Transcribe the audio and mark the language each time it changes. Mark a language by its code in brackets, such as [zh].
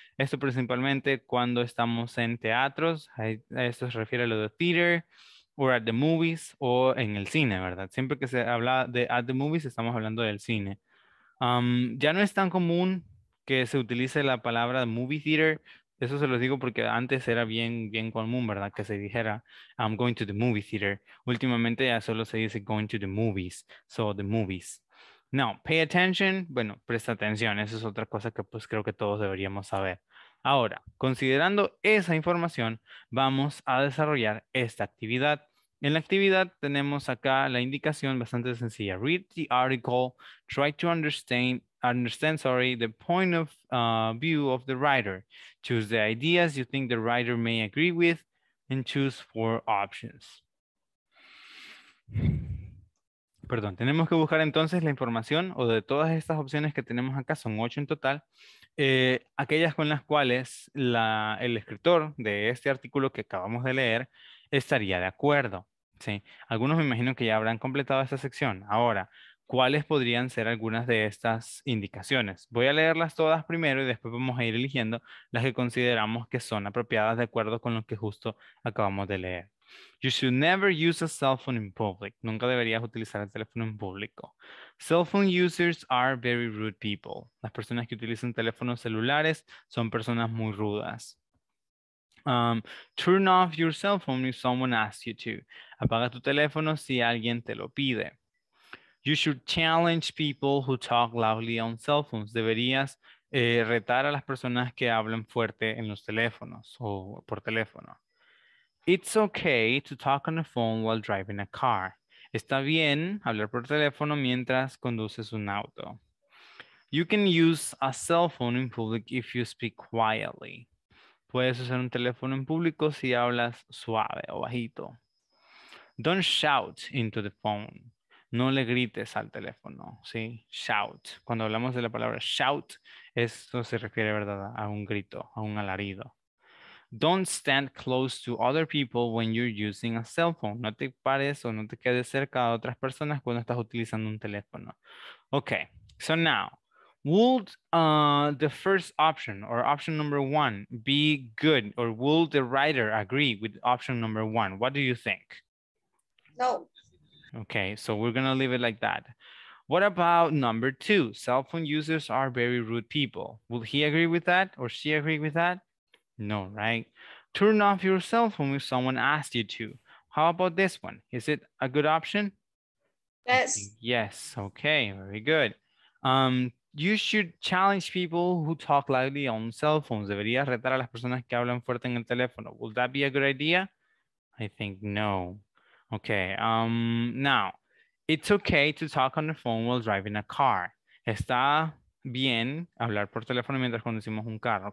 [es] Esto principalmente cuando estamos en teatros, a esto se refiere a lo de theater, [en] or at the movies, [es] o en el cine, ¿verdad? Siempre que se habla de [en] at the movies, [es] estamos hablando del cine. Ya no es tan común que se utilice la palabra movie theater. Eso se los digo porque antes era bien, bien común, ¿verdad? Que se dijera, [en] I'm going to the movie theater. [es] Últimamente ya solo se dice [en] going to the movies. So, the movies. Now, pay attention. [es] Bueno, presta atención. Esa es otra cosa que pues creo que todos deberíamos saber. Ahora, considerando esa información, vamos a desarrollar esta actividad. En la actividad tenemos acá la indicación bastante sencilla. [en] Read the article, try to understand. The point of view of the writer. Choose the ideas you think the writer may agree with and choose four options. [es] Perdón, tenemos que buscar entonces la información o de todas estas opciones que tenemos acá, son ocho en total, aquellas con las cuales el escritor de este artículo que acabamos de leer estaría de acuerdo. ¿Sí? Algunos me imagino que ya habrán completado esta sección. Ahora, ¿cuáles podrían ser algunas de estas indicaciones? Voy a leerlas todas primero y después vamos a ir eligiendo las que consideramos que son apropiadas de acuerdo con lo que justo acabamos de leer. [en] You should never use a cell phone in public. [es] Nunca deberías utilizar el teléfono en público. [en] Cell phone users are very rude people. [es] Las personas que utilizan teléfonos celulares son personas muy rudas. [en] Turn off your cell phone if someone asks you to. [es] Apaga tu teléfono si alguien te lo pide. [en] You should challenge people who talk loudly on cell phones. [es] Deberías retar a las personas que hablan fuerte en los teléfonos o por teléfono. [en] It's okay to talk on the phone while driving a car. [es] Está bien hablar por teléfono mientras conduces un auto. [en] You can use a cell phone in public if you speak quietly. [es] Puedes usar un teléfono en público si hablas suave o bajito. [en] Don't shout into the phone. [es] No le grites al teléfono, ¿sí? [en] Shout. [es] Cuando hablamos de la palabra shout, esto se refiere, ¿verdad?, a un grito, a un alarido. [en] Don't stand close to other people when you're using a cell phone. [es] No te pares o no te quedes cerca de otras personas cuando estás utilizando un teléfono. [en] Okay, so now, would the first option or option number one be good or would the writer agree with option number one? What do you think? No. Okay, so we're going to leave it like that. What about number two? Cell phone users are very rude people. Will he agree with that or she agree with that? No, right? Turn off your cell phone if someone asked you to. How about this one? Is it a good option? Yes. Yes, okay, very good. You should challenge people who talk loudly on cell phones. [es] Deberías retar a las personas que hablan fuerte en el teléfono. [en] Would that be a good idea? I think no. Okay, now, it's okay to talk on the phone while driving a car. [es] Está bien hablar por teléfono mientras conducimos un carro.